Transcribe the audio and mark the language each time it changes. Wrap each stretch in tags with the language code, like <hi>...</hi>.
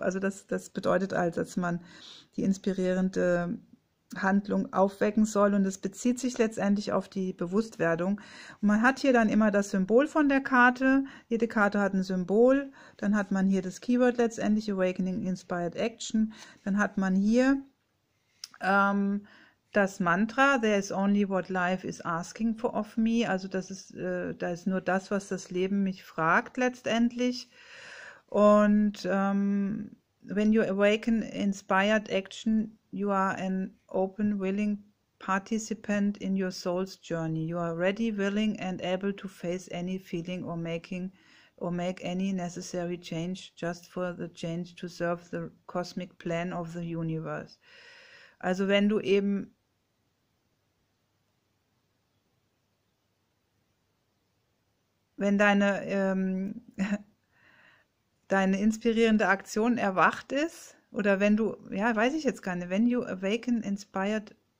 <de>Also das bedeutet also, dass man die inspirierende Handlung aufwecken soll und es bezieht sich letztendlich auf die Bewusstwerdung. Und man hat hier dann immer das Symbol von der Karte. Jede Karte hat ein Symbol. Dann hat man hier das Keyword letztendlich,</de> <en>Awakening Inspired Action.</en> <de>Dann hat man hier das Mantra,</de> <en>There is only what life is asking for of me.</en> <de>Also das ist, da ist nur das, was das Leben mich fragt letztendlich.</de> <en>Und when you awaken inspired action, you are an open, willing participant in your soul's journey. You are ready, willing and able to face any feeling or make any necessary change just for the change to serve the cosmic plan of the universe.</en> <de>Also wenn du eben wenn deine inspirierende Aktion erwacht ist, oder wenn du, ja, weiß ich jetzt gar nicht, wenn</de> <en>you awaken inspired,</en>